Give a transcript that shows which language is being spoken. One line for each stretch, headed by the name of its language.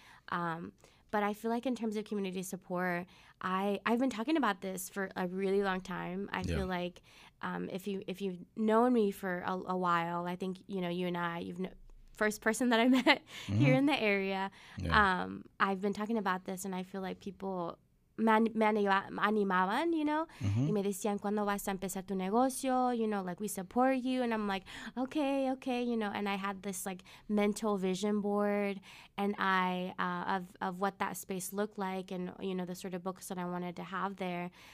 English: But I feel like in terms of community support, I've been talking about this for a really long time. I feel like if you've known me for a while, I think, you know, you and I, first person that I met mm-hmm. here in the area. Yeah. I've been talking about this, and I feel like people
Spanish: me animaban,
English: you know, mm-hmm.
Spanish: y me decían, ¿cuándo vas a empezar tu negocio?
English: You know, like, we support you. And I'm like, okay, you know. And I had this like mental vision board and I of what that space looked like and, you know, the sort of books that I wanted to have there.